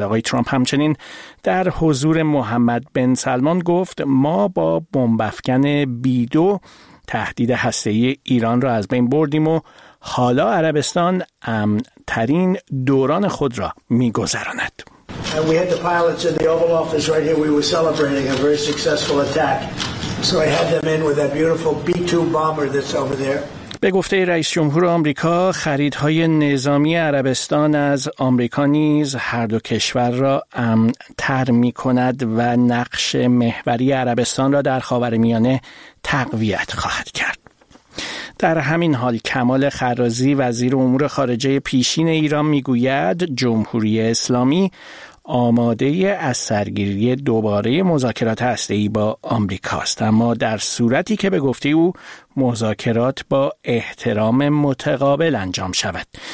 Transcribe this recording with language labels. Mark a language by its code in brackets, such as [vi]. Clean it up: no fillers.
[fa] آقای ترامپ همچنین در حضور محمد بن سلمان گفت ما با بمب‌افکن B2 تهدید هسته‌ای ایران را از بین بردیم و حالا عربستان امن‌ترین دوران خود را می‌گذراند. [en] And we had the pilots in the Oval Office right here. We were celebrating a very successful attack. So I had them in with that beautiful B-2 bomber that's over there. [fa] به گفته رئیس جمهور آمریکا، خریدهای نظامی عربستان از آمریکا نیز هر دو کشور را امن‌تر می‌کند و نقش محوری عربستان را در خاورمیانه تقویت خواهد کرد. در همین حال کمال خرازی وزیر امور خارجه پیشین ایران میگوید جمهوری اسلامی آماده از سرگیری دوباره مذاکرات هسته‌ای با آمریکا است، اما در صورتی که به گفته او مذاکرات با احترام متقابل انجام شود.